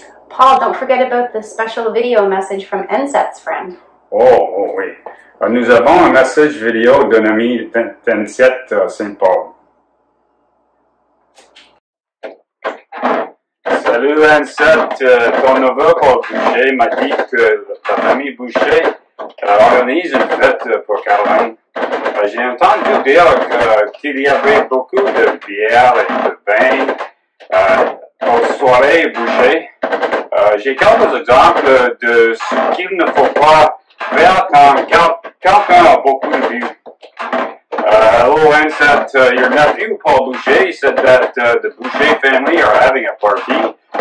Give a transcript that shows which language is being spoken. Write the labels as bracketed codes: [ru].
[en] Paul, don't forget about the special video message from Enset's friend. [fr] Oh, oui. Nous avons un message vidéo d'un ami d'Enset Saint-Paul. Salut Enset, ton neveu Paul Boucher m'a dit que ta famille Boucher organise une fête pour Caroline. J'ai entendu dire qu'il y avait beaucoup de bière et de vin aux soirées Boucher. J'ai quelques exemples de ce qu'il ne faut pas faire quand quelqu'un a beaucoup de vues. [en] Hello Enset, your nephew Paul Boucher said that the Boucher family are having a party.